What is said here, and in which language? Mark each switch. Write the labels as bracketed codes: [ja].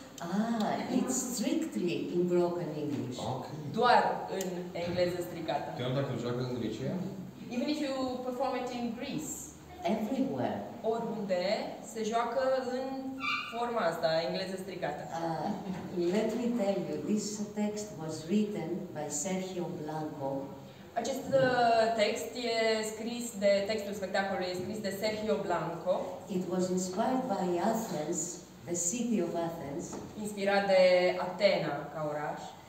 [en] Ah, it's strictly in broken English. Okay. [ro] Doar în engleză stricată. Chiar dacă joacă în Grecia? [en] Even if you perform it in Greece. Everywhere. [ro] Oriunde se joacă în forma asta, engleză stricată. [en] Let me tell you, this text was written by Sergio Blanco. [ro] Acest text e scris de, textul spectacolului e scris de Sergio Blanco. [en] It was inspired by Athens, the city of Athens. [ro] Inspirat de Atena ca oraș.